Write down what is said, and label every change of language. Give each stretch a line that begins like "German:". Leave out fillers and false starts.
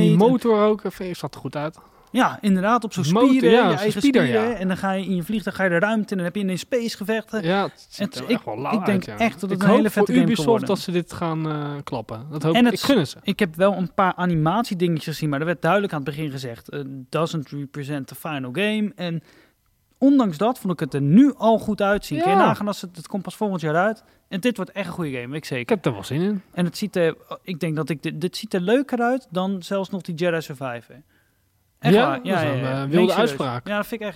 Dutch: Die motor ook, zat er goed uit. Ja, inderdaad, op zo'n motor, spieren. Ja, je eigen spieren. Ja. En dan ga je in je vliegtuig, ga je de ruimte en dan heb je ineens space gevechten. Ja, het ziet er echt wel lauw uit. Ik denk echt dat het een hele vette Ubisoft game kan worden. Dat ze dit gaan klappen. Dat hoop ik, gunnen ze. Ik heb wel een paar animatiedingetjes gezien, maar er werd duidelijk aan het begin gezegd.
English: Doesn't represent the final game.
Dutch: En ondanks dat vond ik het er nu al goed uitzien. Ja. Kun je nagaan, als het komt pas volgend jaar uit. En dit wordt echt een goede game, ik zeker. Ik heb er wel zin in. En het ziet er, ik denk dat ik dit ziet er leuker uit dan zelfs nog die Jedi Survivor. Echt, ja, wilde uitspraak. Ja, dat vind ik echt.